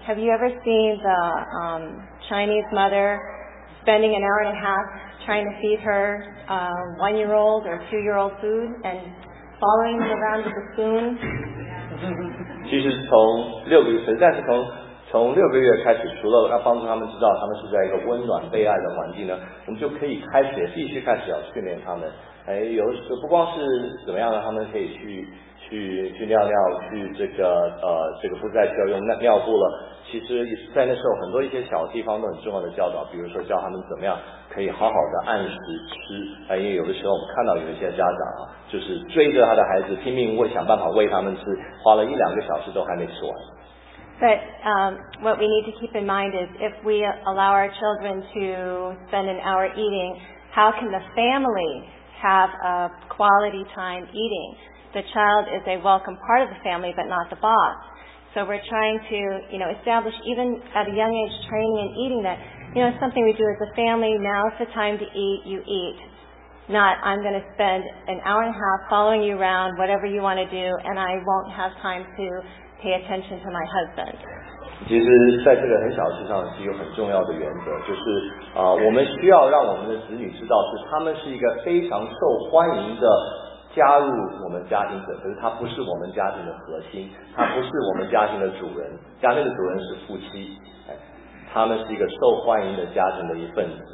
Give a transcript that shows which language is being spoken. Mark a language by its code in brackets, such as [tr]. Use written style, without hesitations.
[en] Have you ever seen the Chinese mother spending an hour and a half trying to feed her one-year-old or two-year-old food and following them around with a spoon? [zh] 其实从六个月，实在是从六个月开始，除了要帮助他们知道他们是在一个温暖被爱的环境呢，我们就可以开始，必须开始要训练他们。有时不光是怎么样的，他们可以去尿尿，去这个不再需要用尿布了。其实在那时候，很多一些小地方都很重要的教导，比如说教他们怎么样可以好好的按时吃。因为有的时候我们看到有一些家长啊，就是追着他的孩子拼命喂，想办法喂他们吃，花了一两个小时都还没吃完。 [en] But what we need to keep in mind is if we allow our children to spend an hour eating, how can the family have a quality time eating? The child is a welcome part of the family, but not the boss. So we're trying to, you know, establish even at a young age training and eating that, you know, it's something we do as a family. Now is the time to eat, you eat. Not I'm going to spend an hour and a half following you around, whatever you want to do, and I won't have time to pay attention to my husband. [zh] 其实在这个很小事上是有很重要的原则，就是我们需要让我们的子女知道是他们是一个非常受欢迎的加入我们家庭者，可是他不是我们家庭的核心，他不是我们家庭的主人，家庭的主人是夫妻，他们是一个受欢迎的家庭的一份子。